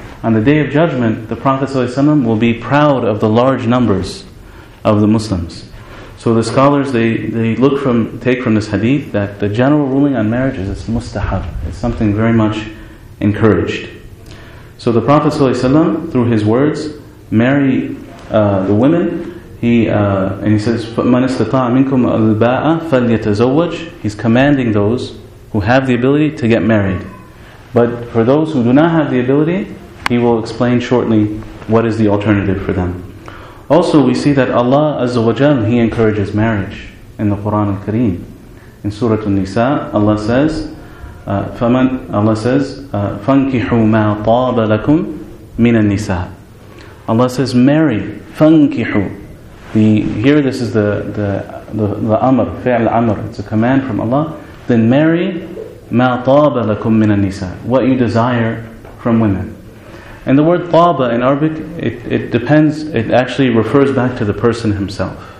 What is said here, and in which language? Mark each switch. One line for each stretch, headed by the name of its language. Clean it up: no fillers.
English: On the Day of Judgment, the Prophet ﷺ will be proud of the large numbers of the Muslims. So the scholars, they take from this hadith that the general ruling on marriage is it's mustahab. It's something very much encouraged. So the Prophet ﷺ, through his words, marry the women. He says,
Arabic: فَمَنْ اسْتَطَعَ مِنْكُمْ الْبَاءَ فَلْيَتَزَوَّجْ.
English: He's commanding those who have the ability to get married. But for those who do not have the ability, he will explain shortly what is the alternative for them. Also, we see that Allah Azza wa Jal, He encourages marriage in the Qur'an al-Kareem. In Surah An-Nisa, Allah says,
Arabic: فَانْكِحُوا مَا طَابَ لَكُمْ مِنَ النِّسَاءِ.
English: Allah says, marry, فَانْكِحُوا. Here this is the amr, fi'l amr, it's a command from Allah. Then marry,
Arabic: مَا طَابَ لَكُمْ مِنَ النِّسَاءِ,
English: what you desire from women. And the word طَابَ in Arabic, it depends, it actually refers back to the person himself.